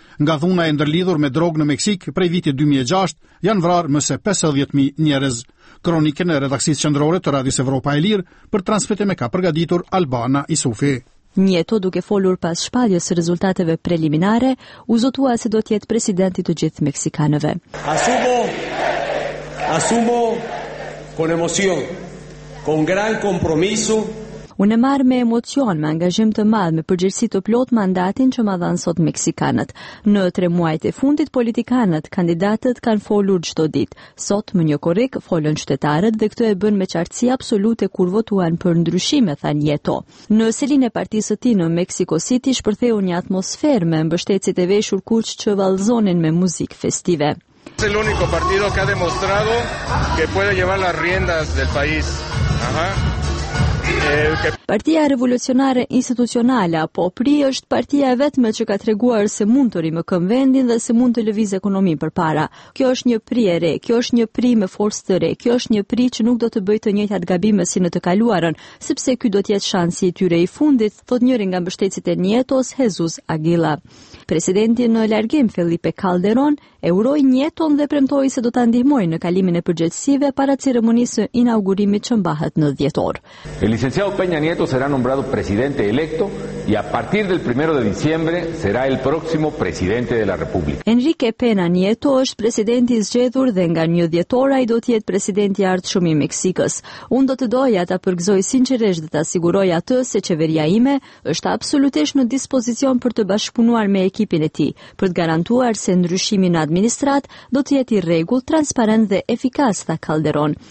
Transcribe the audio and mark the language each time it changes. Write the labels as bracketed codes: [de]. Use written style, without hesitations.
[sq] Nga dhuna e ndërlidhur me drogë në Meksik prej vitit 2006 janë vrarë më se 50.000 njerëz. Kronikën e redaksisë qendrore të Radios Evropa e Lirë për Transmetim e ka përgatitur Albana Isufi. Nieto, duke folur pas shpalljes së rezultateve preliminare, u zotua se do të jetë presidenti të gjithë meksikanëve. [es] Asumo con emoción, con gran compromiso. [sq] Unë e marrë me emocion, me angazhim të madh, me përgjegjësi të plot mandatin që ma dhanë sot meksikanët. Në tre muajt e fundit, politikanët, kandidatët kanë folur çdo ditë. Sot, më një korrik, folën qytetarët dhe këtë e bën me qartësi absolute kur votuan për ndryshime, thanë Nieto. Në selin e partisë të në Mexico City, shpërtheu një atmosferë me mbështetësit e veshur kuq që vallëzonin me muzikë festive. [es] Es el único partido que ha demostrado que puede llevar las riendas del país. [sq] Partia Revolucionare Institucionale apo PRI është partia e vetme që ka treguar se mund të rimëkon vendin dhe se mund të lëvizë ekonominë përpara. Kjo është një PRI e re, kjo është një PRI me forcë të re, kjo është një PRI që nuk do të bëjë të njëjtat gabime si në të kaluarën, sepse ky do të jetë shansi i tyre i fundit, thot njëri nga mbështetësit e Nietos, Jesus Aguila. Presidenti në largim Felipe Calderon e uroi Nieton dhe premtoi se do ta ndihmojë në kalimin e përgjegjësive para ceremonisë së inaugurimit që mbahet në dhjetor. [es] Licenciado Peña Nieto será nombrado presidente electo y a partir del 1 de diciembre será el próximo presidente de la República. [sq] Enrique Peña Nieto është presidenti i zgjedhur dhe nga 1 dhjetor ai do të jetë presidenti i ardhshëm i Meksikës. Unë do të doja ta përgëzoj sinqerisht dhe ta siguroj atë se qeveria ime është absolutisht në dispozicion për të bashkëpunuar me ekipin e tij, për të garantuar se ndryshimi në administrat do të jetë i rregullt, transparent dhe efikas, tha Calderon.